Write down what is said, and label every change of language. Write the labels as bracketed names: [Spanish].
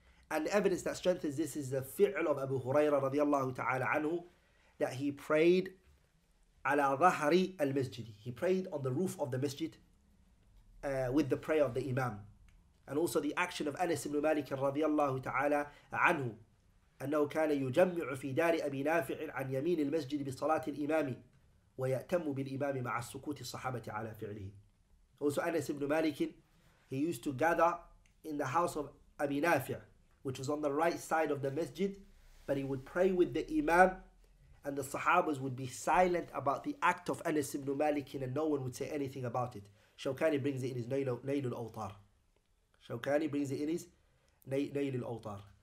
[English] And the evidence that strengthens this is the fi'l of Abu Hurairah radiallahu ta'ala anhu, that he prayed ala dhahri al-masjid. He prayed on the roof of the masjid with the prayer of the imam. And also the action of Anas ibn Malik radiallahu ta'ala anhu. [Arabic] أنه كان يجمع في دار أبي نافع عن يمين المسجد بصلاة الإمام ويأتم بالإمام مع السكوت الصحابة على فعله. [English] Also Anas ibn Malik, he used to gather in the house of Abi Nafi', which was on the right side of the masjid, but he would pray with the Imam, and the Sahabas would be silent about the act of Anas ibn Malik, and no one would say anything about it. Shawkani brings it in his Nail al-Awtar. Shawkani brings it in his Nail al-Awtar.